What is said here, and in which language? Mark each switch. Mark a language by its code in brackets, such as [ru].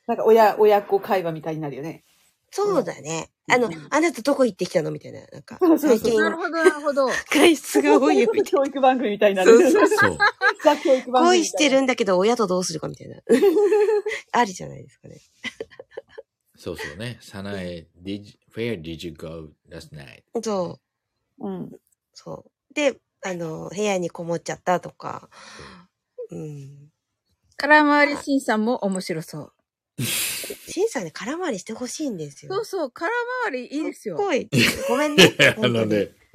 [ja] なんか親子会話みたいになるよね。そうだね。うん、あの、うん、あなたどこ行ってきたのみたいな。なんか、最近。なるほど、なるほど。外出が多いよ。教育番組みたいになる。そう。恋してるんだけど、親とどうするかみたいな。あるじゃないですかね。そうそうね。 [en] サナエ、where did you go last night? [ja] そう。うん。そう。で、あの、部屋にこもっちゃったとか。うん、空回り審査も面白そう。審査で空回りしてほしいんですよ。そうそう、空回りいいですよ。すごい。ごめんね。あのね。